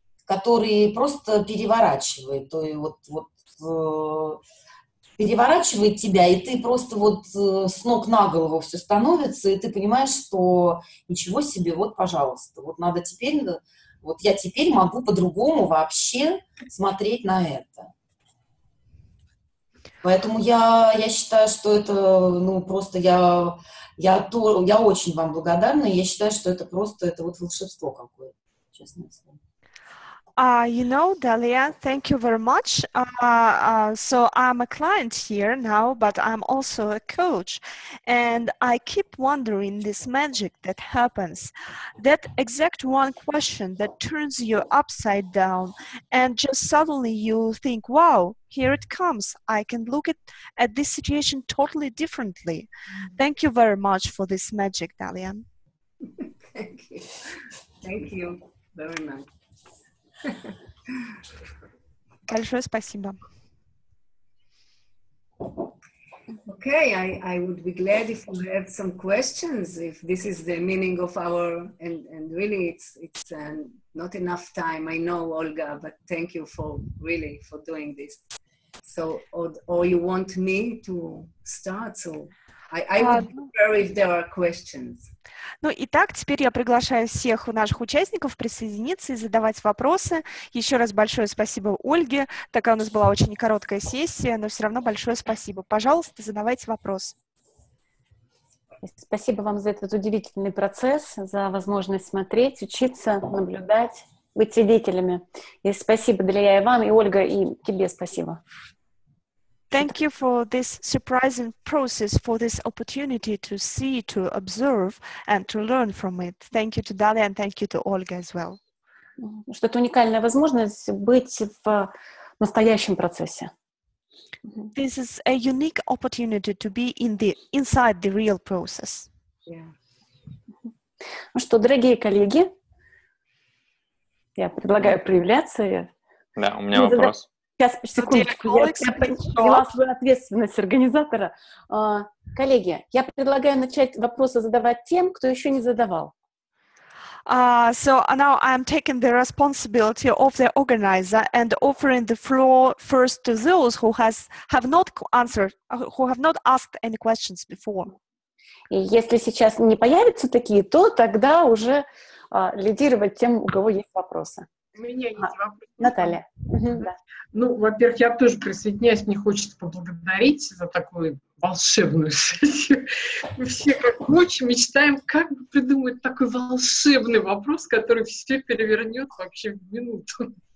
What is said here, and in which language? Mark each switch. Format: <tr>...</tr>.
<ru>который просто переворачивает, то есть переворачивает тебя, и ты просто вот с ног на голову все становится, и ты понимаешь, что ничего себе, вот, пожалуйста, вот надо теперь, вот я теперь могу по-другому вообще смотреть на это. Поэтому я считаю, что это, ну, просто я очень вам благодарна, и я считаю, что это просто, это вот волшебство какое-то, честно говоря.</ru> <en>You know, Dalia, thank you very much. So I'm a client here now, but I'm also a coach. And I keep wondering this magic that happens. That exact one question that turns you upside down. And just suddenly you think, wow, here it comes. I can look at this situation totally differently. Thank you very much for this magic, Dalia. Thank you. Thank you very much.</en> <ru>Большое спасибо.</ru> <en>Okay, I would be glad if we have some questions, if this is the meaning of our, and really it's not enough time, I know, Olga, but thank you for doing this. So, or you want me to start, so... I would prefer if there are questions.</en> <ru>Ну, итак, теперь я приглашаю всех наших участников присоединиться и задавать вопросы. Еще раз большое спасибо Ольге. Такая у нас была очень короткая сессия, но все равно большое спасибо. Пожалуйста, задавайте вопрос. Спасибо вам за этот удивительный процесс, за возможность смотреть, учиться, наблюдать, быть свидетелями. И спасибо, Дарья, и вам, и Ольга, и тебе спасибо.</ru> <en>Thank you for this surprising process, for this opportunity to see, to observe, and to learn from it. Thank you to Dalia and thank you to Olga as well.</en> <ru>Что-то уникальная возможность быть в настоящем процессе.</ru> <en>This is a unique opportunity to be inside the real process.</en> <ru>Ну что, дорогие коллеги, я предлагаю проявляться. Да, у меня вопрос. Сейчас, секундочку, я поняла свою ответственность организатора. Коллеги, я предлагаю начать вопросы задавать тем, кто еще не задавал.</ru> <en>So now I'm taking the responsibility of the organizer and offering the floor first to those who have not asked any questions before.</en> <ru>И если сейчас не появятся такие, то тогда уже лидировать тем, у кого есть вопросы. У меня есть вопрос. Наталья. Ну, во-первых, я тоже присоединяюсь, мне хочется поблагодарить за такую волшебную сессию. Мы все как очень мечтаем, как бы придумать такой волшебный вопрос, который все перевернет вообще в минуту.</ru>